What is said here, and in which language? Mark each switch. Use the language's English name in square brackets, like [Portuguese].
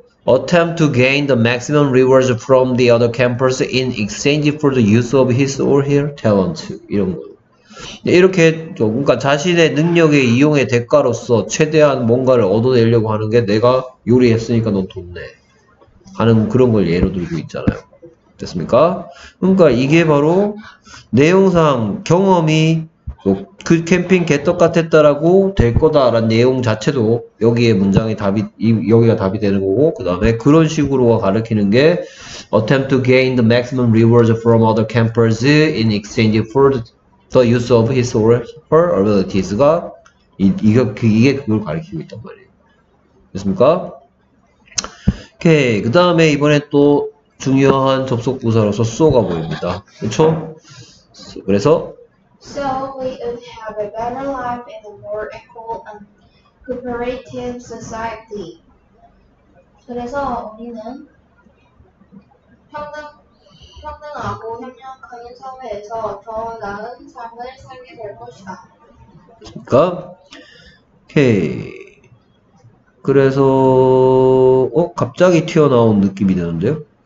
[English] Attempt to gain the maximum rewards from the other campers in exchange for the use of his or her talent. [Korean] 이런 거. 이렇게, 그러니까 자신의 능력의 이용의 대가로서 최대한 뭔가를 얻어내려고 하는 게 내가 요리했으니까 넌 돈 내. 하는 그런 걸 예로 들고 있잖아요. 됐습니까? 그러니까 이게 바로 내용상 경험이 그 캠핑 개떡 같았다라고 될 거다라는 내용 자체도 여기에 문장이 답이 여기가 답이 되는 거고 그 다음에 그런 식으로가 가르치는 게 [English] attempt to gain the maximum rewards from other campers in exchange for the use of his or her abilities [Korean] 가 이게 그걸 가르치고 있단 말이에요. 됐습니까? 오케이. 그 다음에 이번에 또 중요한 접속 부사로서 so가 보입니다. 그쵸? 그래서 [English] So we would have a better life in a more equal and cooperative society. [Korean] 그래서 우리는 평등하고 협력하는 사회에서 더 나은 삶을 살게 될 것이다. 그러니까 오케이. 그래서 갑자기 튀어나온 느낌이 드는데요.